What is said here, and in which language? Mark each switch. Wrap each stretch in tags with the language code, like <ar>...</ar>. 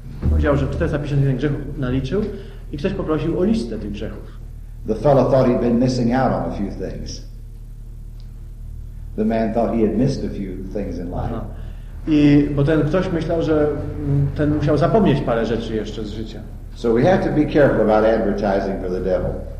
<pl>Powiedział, że 451 grzechów naliczył i ktoś poprosił o listę tych grzechów.</pl> <en>The fellow thought he'd been missing out on a few things. The man thought he had missed a few things in life.</en> <pl>I bo ten ktoś myślał, że ten musiał zapomnieć parę rzeczy jeszcze z życia.</pl> <en>So we have to be careful about advertising for the devil.</en>